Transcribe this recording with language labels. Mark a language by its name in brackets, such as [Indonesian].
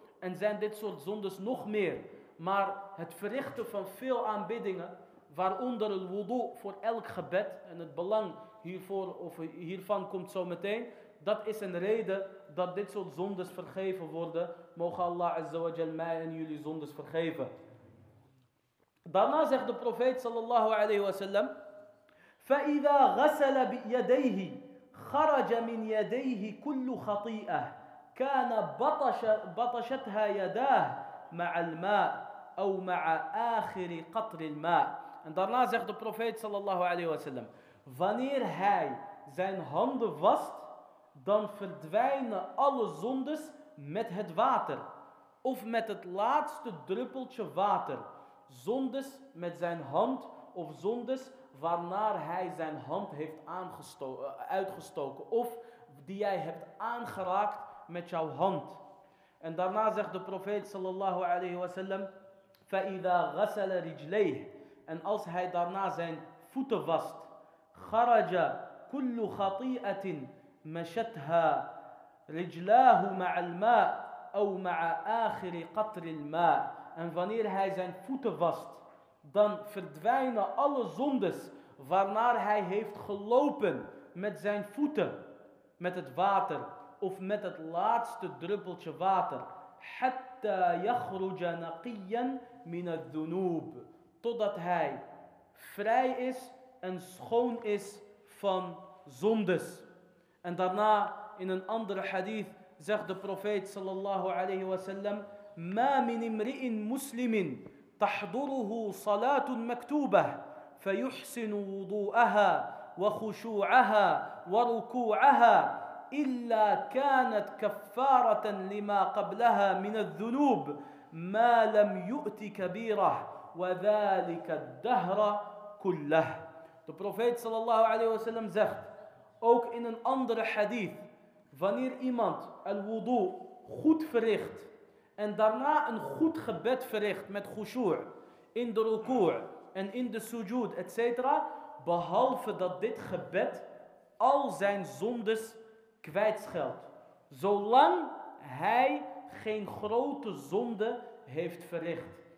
[Dutch] En zijn dit soort zondes nog meer. Maar het verrichten van veel aanbiddingen, waaronder het wudu voor elk gebed, en het belang hiervoor of hiervan komt zo meteen, dat is een reden dat dit soort zondes vergeven worden. Mogen Allah Azza wa Jal mij en jullie zondes vergeven. Daarna zegt de profeet sallallahu alayhi wa sallam: [Arabic] فإذا غسل يديه خرج من يديه كل خطيئة كان بطشتها يداه مع الماء أو مع آخر قطر الماء. [Dutch] En daarna zegt de profeet sallallahu alayhi wa sallam: wanneer hij zijn handen wast, dan verdwijnen alle zondes met het water of met het laatste druppeltje water. Zondes met zijn hand of zondes waarnaar hij zijn hand heeft uitgestoken of die jij hebt aangeraakt met jouw hand. En daarna zegt de profeet sallallahu alayhi wa sallam: [Arabic] فَإِذَا غَسَلَ رِجْلَيْهِ. [Dutch] En als hij daarna zijn voeten wast, [Arabic] خَرَجَ كُلُّ خَطِيئَةٍ مَشَتْهَا رِجْلَاهُ مَعَ الْمَاءِ أَوْ مَعَ آخِرِ قَطْرِ الْمَاءِ. [Dutch] En wanneer hij zijn voeten wast, dan verdwijnen alle zondes waarnaar hij heeft gelopen met zijn voeten, met het water of met het laatste druppeltje water. [Arabic] Hatta yakhruja naqiyan min adh-dhunub. [Dutch] Totdat hij vrij is en schoon is van zondes. En daarna in een andere hadith zegt de profeet sallallahu alayhi wa sallam: [Arabic] ma min imri'in muslimin تحضره صلاة مكتوبة فيحسن وضوءها وخشوعها وركوعها إلا كانت كفارة لما قبلها من الذنوب ما لم يؤت كبيرة وذلك الدهر كله. [Dutch] De profeet sallallahu alayhi wa sallam zegt ook in een andere hadith: wanneer iemand al wudu goed verricht en daarna een goed gebed verricht met khushu' in de ruku' en in de sujud, etc., behalve dat dit gebed al zijn zondes kwijtscheldt, zolang hij geen grote zonde heeft verricht.